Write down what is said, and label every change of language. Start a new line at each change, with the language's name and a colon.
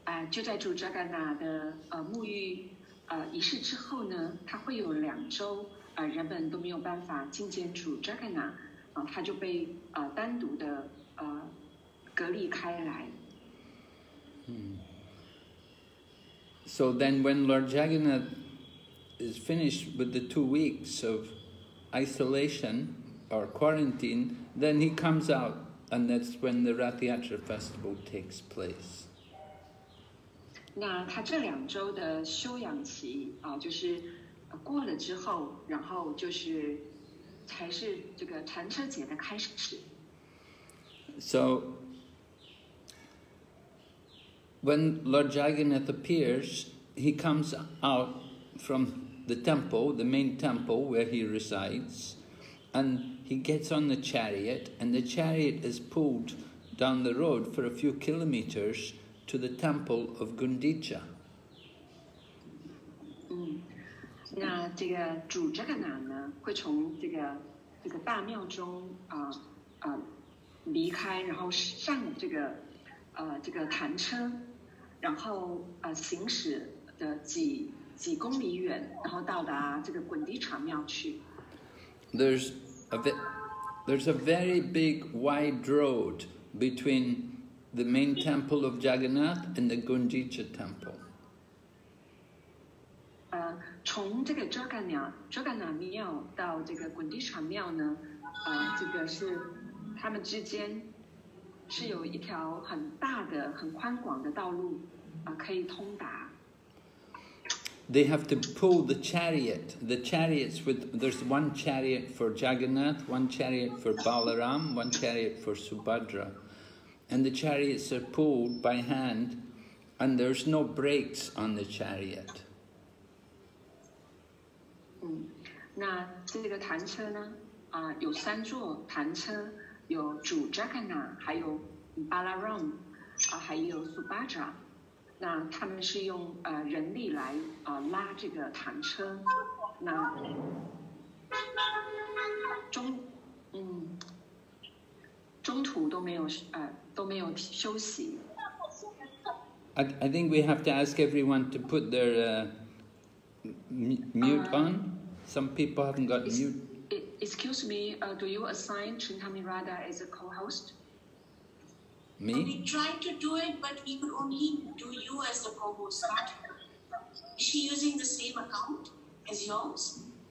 Chinese: 就在主扎嘎纳的沐浴仪式之后呢，他会有两周人们都没有办法觐见主扎嘎纳，他就被单独的隔离开来。
English: So then when Lord Jagannath is finished with the 2 weeks of isolation or quarantine, then he comes out, and that's when the Rath Yatra festival takes place.
Chinese: 那他这两周的休养期就是过了之后，然后就是才是这个坛车节的开始。
English: So when Lord Jagannath appears, he comes out from the temple, the main temple where he resides, and he gets on the chariot, and the chariot is pulled down the road for a few kilometers to the temple of Gundicha.
Chinese: 那这个主扎嘎纳呢，会从这个大庙中离开，然后上这个坛车，然后行驶的几公里远，然后到达这个滚地场庙去。
English: There's a very big wide road between the main temple of Jagannath and the Gundicha temple.
Chinese: 从这个扎嘎纳庙到这个滚地场庙呢，这个是他们之间是有一条很大的、很宽广的道路，可以通达。
English: They have to pull the chariot. The chariots with, there's one chariot for Jagannath, one chariot for Balaram, one chariot for Subhadra. And the chariots are pulled by hand, and there's no brakes on the chariot.
Chinese: 那这个坛车呢，有三座坛车，有主扎嘎纳，还有Balaram，还有Subhadra。那他们是用人力来拉这个坛车，那中途都没有休息。
English: I think we have to ask everyone to put their mute on. Some people haven't got mute. Excuse me, do you assign Chintami Radha as a co-host? Me? We tried to do it, but we could only do you as the co-host, but is she using the same account as yours?